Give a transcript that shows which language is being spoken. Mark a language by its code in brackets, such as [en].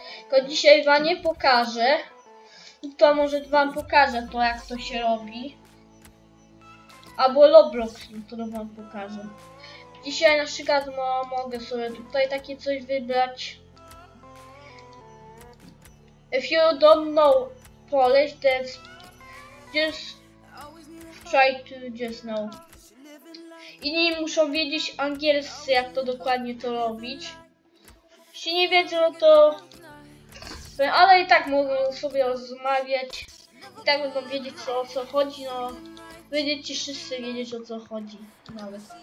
[pl] Tylko dzisiaj wam nie pokażę. To może wam pokażę to, jak to się robi. Albo Roblox, który wam pokażę. Dzisiaj na przykład mogę sobie tutaj takie coś wybrać. [en] If you don't know Polish, then just try to just know. [pl] Inni muszą wiedzieć angielscy, jak to dokładnie to robić. Jeśli nie wiedzą, to... Ale i tak mogą sobie rozmawiać. I tak będą wiedzieć, o co chodzi, no... Będziecie wszyscy wiedzieć, o co chodzi, nawet.